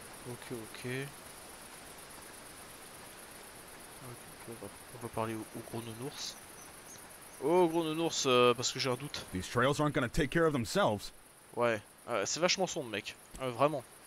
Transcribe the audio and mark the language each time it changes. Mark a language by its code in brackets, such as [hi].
[fr] Ok. On va parler au gros nounours. Oh gros nounours, parce que j'ai un doute. [en] These trails aren't gonna take care of themselves. [fr] Ouais, c'est vachement sombre mec, vraiment.